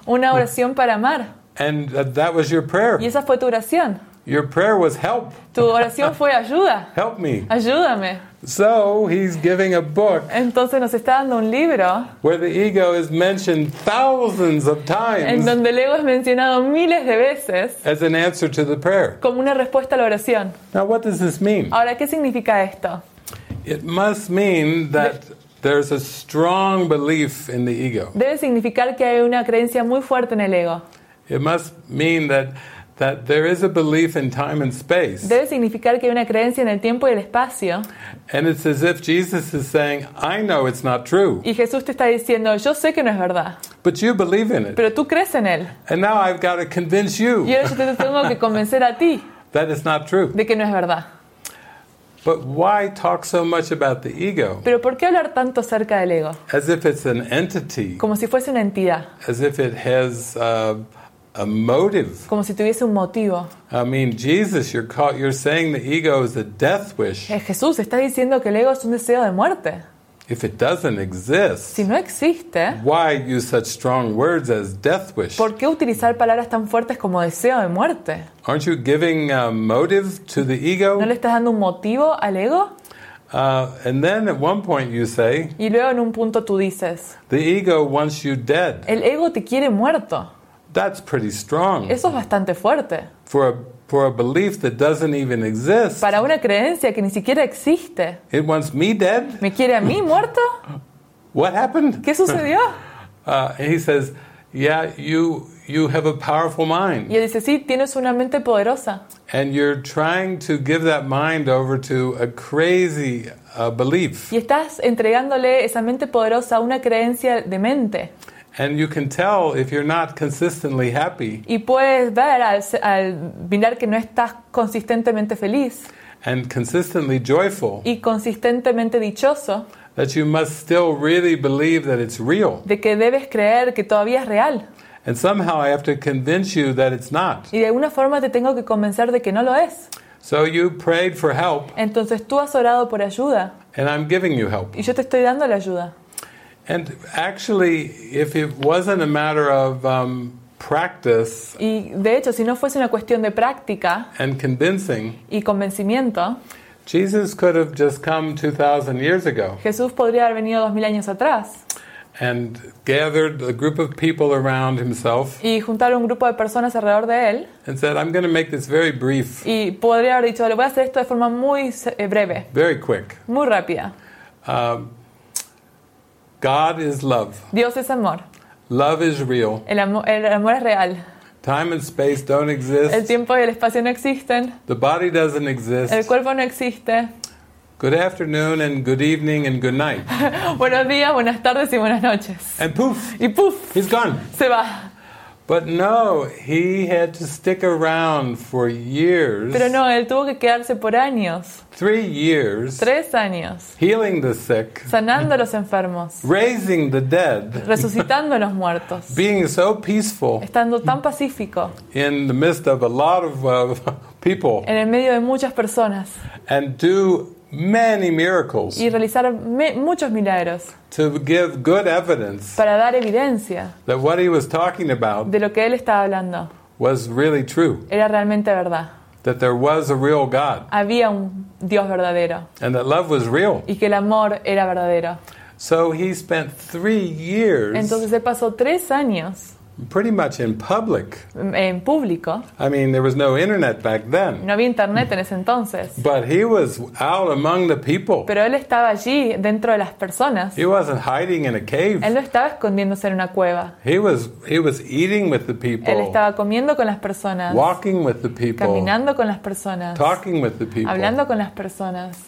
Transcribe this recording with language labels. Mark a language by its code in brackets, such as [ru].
[es] Una oración para amar. [en] And that was your prayer. [es] Y esa fue tu oración. [en] Your prayer was help. [es] Tu oración fue ayuda. [en] Help me. [es] Ayúdame. [en] So he's giving a book. [es] Entonces nos está dando un libro. [en] Where the ego is mentioned thousands of times. [es] En donde el ego es mencionado miles de veces. [en] As an answer to the prayer. [es] Como una respuesta a la oración. [en] Now what does this mean? [es] Ahora, ¿qué significa esto? [en] It must mean that there's a strong belief in the ego. [es] Debe significar que hay una creencia muy fuerte en el ego. [en] It must mean that there is a belief in time and space. [es] Debe significar que hay una creencia en el tiempo y el espacio. [en] And it's as if Jesus is saying, I know it's not true. [es] Y Jesús te está diciendo, yo sé que no es verdad. [en] But you believe in it. [es] Pero tú crees en él. [en] And now I've got to convince you. [es] Y ahora yo te tengo que convencer a ti. [en] That it's not true. [es] De que no es verdad. [en] But why talk so much about the ego? [es] Pero ¿por qué hablar tanto acerca del ego? [en] As if it's an entity. [es] Como si fuese una entidad. [en] As if it has a motive. [es] Como si tuviese un motivo. [en] I mean, Jesus, you're saying the ego is a death wish. [es] Jesús está diciendo que el ego es un deseo de muerte. [en] If it doesn't exist, [es] si no existe, [en] why use such strong words as death wish? [es] ¿Por qué utilizar palabras tan fuertes como deseo de muerte? [en] Aren't you giving a motive to the ego? [es] ¿No le estás dando un motivo al ego? [en] And then at one point you say, [es] y luego en un punto tú dices, [en] the ego wants you dead. [es] El ego te quiere muerto. [en] That's pretty strong. [es] Eso es bastante fuerte. [en] For a belief that doesn't even exist. [es] Para una creencia que ni siquiera existe. [en] It wants me dead. [es] ¿Me quiere a mí muerto? [en] What happened? [es] ¿Qué sucedió? [en] He says, yeah, you have a powerful mind. [es] Y él dice, sí, tienes una mente poderosa. [en] And you're trying to give that mind over to a crazy belief. [es] Y estás entregándole esa mente poderosa a una creencia demente. [en] And you can tell if you're not consistently happy. [es] Y puedes ver al mirar que no estás consistentemente feliz. [en] And consistently joyful. [es] Y consistentemente dichoso. [en] That you must still really believe that it's real. [es] De que debes creer que todavía es real. [en] And somehow I have to convince you that it's not. [es] Y de alguna forma te tengo que convencer de que no lo es. [en] So you prayed for help. [es] Entonces tú has orado por ayuda. [en] And I'm giving you help. [es] Y yo te estoy dando la ayuda. [en] And actually, if it wasn't a matter of practice, [es] y de hecho, si no fuese una cuestión de práctica, [en] and convincing, [es] y convencimiento, [en] Jesus could have just come 2,000 years ago. [es] Jesús podría haber venido 2,000 años atrás. [en] And gathered a group of people around himself. [es] Y juntar un grupo de personas alrededor de él. [en] And said, "I'm going to make this very brief." [es] Y podría haber dicho, "Lo voy a hacer esto de forma muy breve." [en] Very quick. [es] Muy rápida. [en] God is love. [es] Dios es amor. [en] Love is real. [es] El amor es real. [en] Time and space don't exist. [es] El tiempo y el espacio no existen. [en] The body doesn't exist. [es] El cuerpo no existe. [en] Good afternoon and good evening and good night. [es] Buenos días, buenas tardes y buenas noches. [en] And poof. [es] Y poof. [en] He's gone. [es] Se va. [en] But no, he had to stick around for years. [es] Pero no, él tuvo que quedarse por años. [en] 3 years. [es] 3 años. [en] Healing the sick. [es] Sanando a los enfermos. [en] Raising the dead. [es] Resucitando a los muertos. [en] Being so peaceful. [es] Estando tan pacífico. [en] In the midst of a lot of people. [es] En el medio de muchas personas. [en] And do many miracles. [es] Y realizar muchos milagros. [en] To give good evidence. [es] Para dar evidencia. [en] That what he was talking about. [es] De lo que él estaba hablando. [en] Was really true. [es] Era realmente verdad. [en] That there was a real God. [es] Había un Dios verdadero. [en] And that love was real. [es] Y que el amor era verdadero. [en] So he spent 3 years. [es] Entonces él pasó 3 años. [en] pretty much in public. [es] En público. [en] I mean, there was no internet back then. [es] No había internet en ese entonces. [en] But he was out among the people. [es] Pero él estaba allí dentro de las personas. [en] He wasn't hiding in a cave. [es] Él no estaba escondiéndose en una cueva. [en] He was eating with the people. [es] Él estaba comiendo con las personas. [en] Walking with the people. [es] Caminando con las personas. [en] Talking with the people. [es] Hablando con las personas.